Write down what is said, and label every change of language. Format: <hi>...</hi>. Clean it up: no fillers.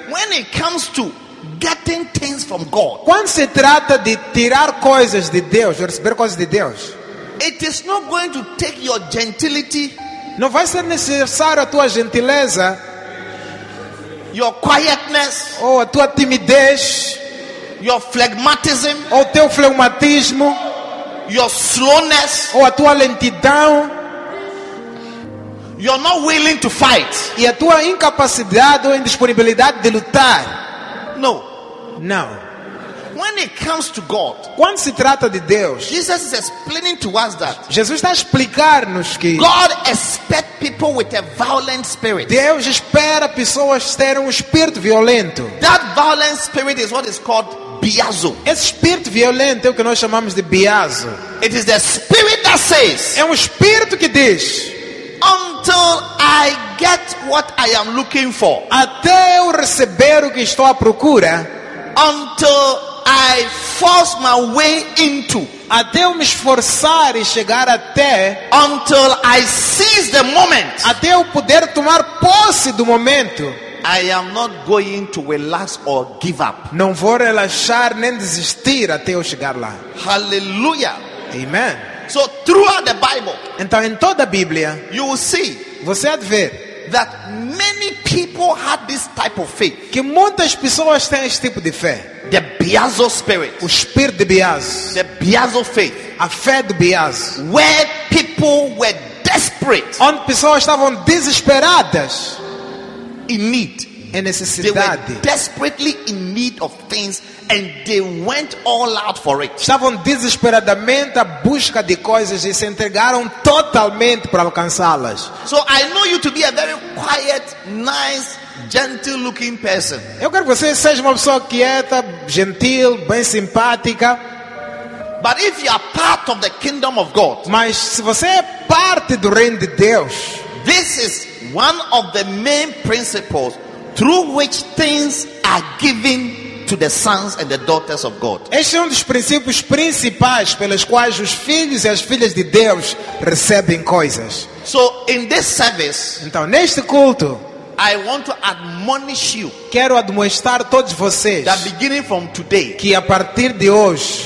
<en>when it comes to getting things from God,</en> <pt>quando se trata de tirar coisas de Deus, de receber coisas de Deus,</pt> <en>it is not going to take your gentility,</en> <pt>não vai ser necessário a tua gentileza,</pt> <en>your quietness,</en> <pt>ou a tua timidez,</pt> <en>your phlegmatism,</en> <pt>ou teu phlegmatismo,</pt> <en>your slowness,</en> <pt>ou a tua lentidão,</pt> <en>you're not willing to fight,</en> <pt>e a tua incapacidade ou indisponibilidade de lutar. No. No.</pt> <en>When it comes to God,</en> <pt>quando se trata de Deus,</pt> <en>Jesus is explaining to us that,</en> <pt>Jesus está a explicar-nos que,</pt> <en>God expects people with a violent spirit.</en> <pt>Deus espera pessoas terem espírito violento.</pt> <en>That violent spirit is what is called Biazo.</en> <pt>Esse espírito violento é o que nós chamamos de Biazo.</pt> <en>It is the spirit that says,</en> <pt>é espírito que diz,</pt> <en>until I get what I am looking for,</en> <pt>até eu receber o que estou à procura,</pt> <en>until I force my way into,</en> <pt>até eu me esforçar e chegar até,</pt> <en>until I seize the moment,</en> <pt>até eu poder tomar posse do momento,</pt> <en>I am not going to relax or give up.</en> <pt>Não vou relaxar nem desistir até eu chegar lá. Hallelujah. Amen.</pt> <en>So throughout the Bible,</en> <pt>então em toda a Bíblia,</pt> <en>you will see,</en> <pt>você há de ver,</pt> <en>that many people had this type of faith.</en> <pt>Que muitas pessoas têm este tipo de fé.</pt> <en>The Biazo spirit.</en> <pt>O espírito de Biazo.</pt> <en>The Biazo faith.</en> <pt>A fé de Biazo.</pt> <en>Where people were desperate.</en> <pt>Onde pessoas estavam desesperadas.</pt> <en>In need.</en> <pt>Em necessidade.</pt> <en>They were desperately in need of things and they went all out for it.</en> <pt>Estavam desesperadamente à busca de coisas e se entregaram totalmente para alcançá-las.</pt> <en>So I know you to be a very quiet, nice, gentle looking person.</en> <pt>Eu quero que você seja uma pessoa quieta, gentil, bem simpática.</pt> <en>But if you are part of the kingdom of God,</en> <pt>mas se você é parte do reino de Deus,</pt> <en>this is one of the main principles through which things are given to the sons and the daughters of God.</en> <pt>Este é dos princípios principais pelos quais os filhos e as filhas de Deus recebem coisas.</pt> <en>So in this service,</en> <pt>então neste culto,</pt> <en>I want to admonish you.</en> <pt>Quero admoestar todos vocês.</pt> <en>That beginning from today,</en> <pt>que a partir de hoje,</pt>